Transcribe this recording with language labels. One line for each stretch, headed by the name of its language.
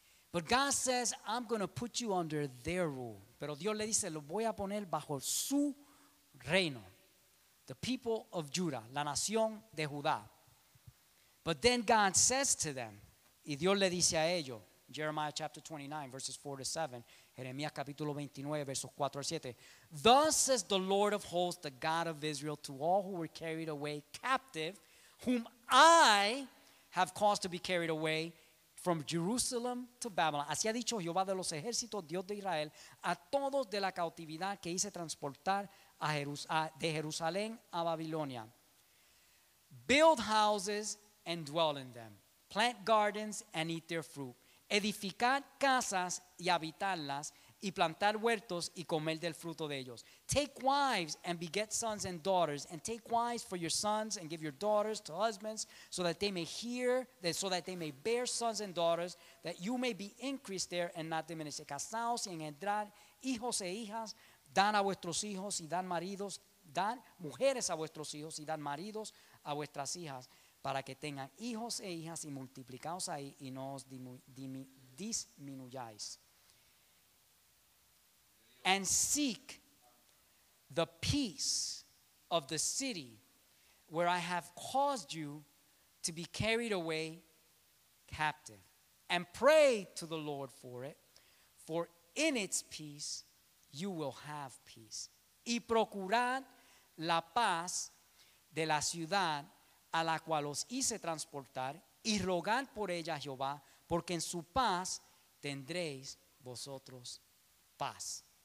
English: But God says, I'm going to put you under their rule.
Spanish: Pero Dios le dice, lo voy a poner bajo su reino.
English: The people of Judah,
Spanish: la nación de Judá.
English: But then God says to them,
Spanish: y Dios le dice a ellos,
English: Jeremiah chapter 29, verses 4 to 7,
Spanish: Jeremías capítulo 29, versos 4 al 7.
English: Thus says the Lord of hosts, the God of Israel, to all who were carried away captive, whom I have caused to be carried away from Jerusalem to Babylon.
Spanish: Así ha dicho Jehová de los ejércitos, Dios de Israel, a todos de la cautividad que hice transportar de Jerusalén a Babilonia.
English: Build houses and dwell in them. Plant gardens and eat their fruit.
Spanish: Edificar casas y habitarlas, y plantar huertos y comer del fruto de ellos.
English: Take wives and beget sons and daughters, and take wives for your sons and give your daughters to husbands, so that they may hear, that so that they may bear sons and daughters, that you may be increased there and not diminished.
Spanish: Casaos y engendrar hijos e hijas, dan a vuestros hijos y dan maridos, dan mujeres a vuestros hijos y dan maridos a vuestras hijas, para que tengan hijos e hijas y multiplicaos ahí y no os disminuyáis.
English: And seek the peace of the city where I have caused you to be carried away captive. And pray to the Lord for it, for in its peace you will have peace.
Spanish: Y procurad la paz de la ciudad a la cual os hice transportar, y rogad por ella a Jehová, porque en su paz tendréis vosotros paz.